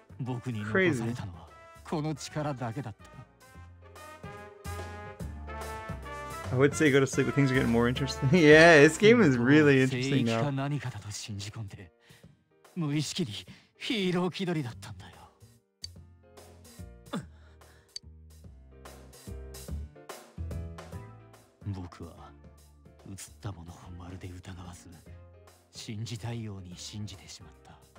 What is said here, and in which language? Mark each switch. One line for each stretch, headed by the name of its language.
Japanese: 僕に残されたのはこの力だけだった。
English: I would say go to sleep, but things are getting more interesting. Yeah, this game is really interesting now.
Japanese: 正義か何かだと信じ込んで、無意識にヒーロー気取りだったんだよ。僕は映ったものをまるで疑わず、信じたいように信じてしまった。